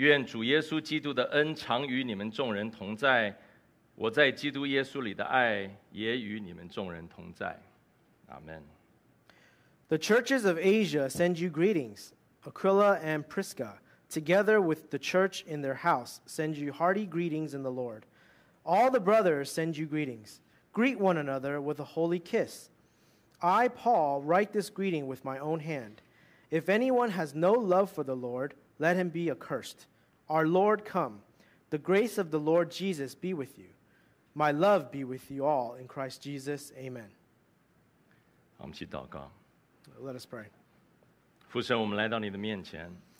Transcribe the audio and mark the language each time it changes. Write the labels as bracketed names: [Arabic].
[Chinese] 亚细亚的众教会问你们安，亚居拉和百基拉，并在他们家里的教会英主也多多的向你们问安。众弟兄们都向你们都问你们安，你们要亲嘴问安，务要彼此圣洁。我保罗亲笔问安，若有人不爱主，这人是可主可咒的。主必要来，愿主耶稣基督的恩常与你们众人同在。我在基督耶稣里的爱也与你们众人同在。Amen. [English] The churches of Asia send you greetings. Aquila and Prisca, together with the church in their house, send you hearty greetings in the Lord. All the brothers send you greetings. Greet one another with a holy kiss. I, Paul, write this greeting with my own hand. If anyone has no love for the Lord, let him be accursed. Our Lord come. The grace of the Lord Jesus be with you. My love be with you all in Christ Jesus. Amen. [Chinese] 好，我们去祷告。 [English] Let us pray. [Chinese] 父神，我们来到你的面前。